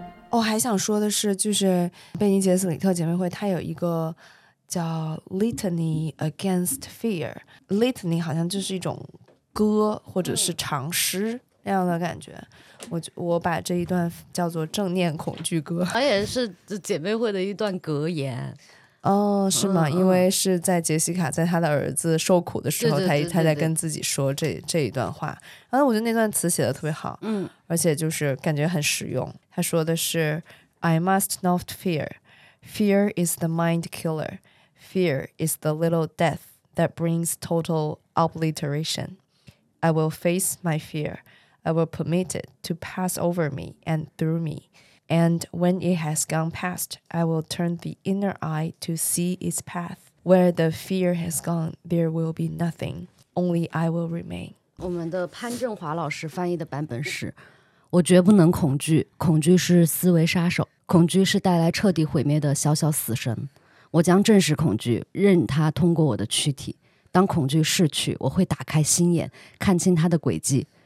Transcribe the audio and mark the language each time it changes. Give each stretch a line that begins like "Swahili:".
Chinese: 我还想说的是，就是贝尼杰斯里特姐妹会它有一个叫 Litany Against Fear， Litany 好像就是一种歌或者是长诗那样的感觉，我把这一段叫做正念恐惧歌，而且是姐妹会的一段格言。哦，是吗？因为是在杰西卡在她的儿子受苦的时候，她在跟自己说这一段话。然后我觉得那段词写的特别好，而且就是感觉很实用。她说的是
English: I must not fear. Fear is the mind killer. Fear is the little death that brings total obliteration. I will face my fear. I will permit it to pass over me and through me. And when it has gone past, I will turn the inner eye to see its path. Where the fear has gone, there will be nothing. Only I will remain.
Chinese: 我们的潘振华老师翻译的版本是，我绝不能恐惧，恐惧是思维杀手，恐惧是带来彻底毁灭的小小死神。我将正视恐惧，任它通过我的躯体。当恐惧逝去，我会打开心眼，看清它的轨迹。